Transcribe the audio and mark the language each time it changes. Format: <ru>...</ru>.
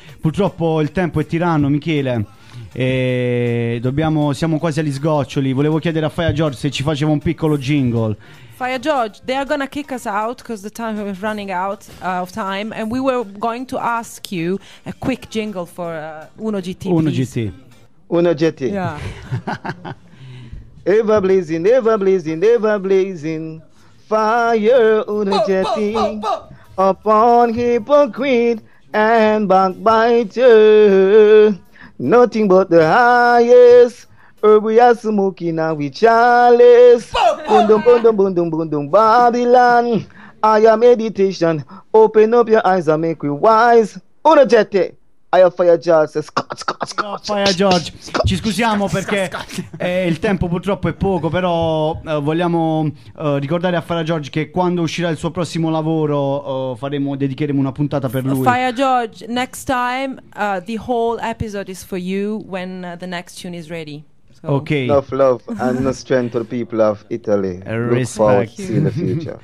<it>Purtroppo il tempo è tiranno, Michele, e siamo quasi agli sgoccioli. Volevo chiedere a Fire George se ci faceva un piccolo jingle.</it> <en>Fire George, they are gonna kick us out because the time is running out of time, and we were going to ask you a quick jingle for Uno GT. Uno GT. Uno GT. Yeah. Ever blazing, ever blazing, ever blazing. Fire energetic upon hypocrite and backbiter. Nothing but the highest. Herb we are smoking and we chalice. Boom, boom, boom, boom, boom, boom, boom, boom, Babylon. I am meditation. Open up your eyes and make me wise. Uno jette. I am Fire George. Scott, Scott, Scott.</en> <it>No, Fire George. Ci scusiamo perché il tempo purtroppo è poco, però vogliamo ricordare a Fire George che quando uscirà il suo prossimo lavoro dedicheremo una puntata per lui.</it> <en>Fire George, next time the whole episode is for you when the next tune is ready. Okay. Love, love, and the strength to the people of Italy. Respect. Look forward to see the future.</en>